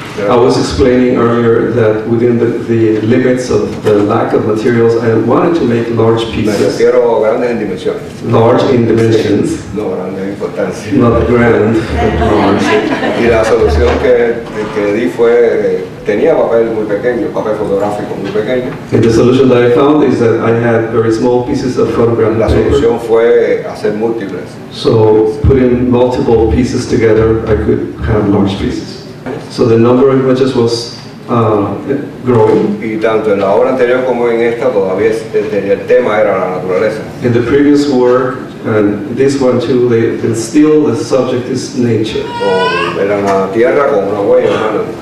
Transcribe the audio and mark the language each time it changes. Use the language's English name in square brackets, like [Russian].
[English] I was explaining earlier that within the limits of the lack of materials, I wanted to make large pieces. [Spanish] Me refiero a grandes en dimensiones. [English] Large in dimensions. [Spanish] No, grande en importancia. [English] Not grand, but large. [Spanish] Y la solución que di fue, tenía papel muy pequeño, papel fotográfico muy pequeño. [English] And the solution that I found is that I had very small pieces of photograph paper. [Spanish] La solución fue hacer múltiples. [English] So putting multiple pieces together, I could have large pieces. So the number of images was growing. [Spanish] Y tanto en la obra anterior como en esta todavía el tema era la naturaleza. [English] In the previous work and this one too, they still the subject is nature. [Spanish] Era la tierra con una huella humana.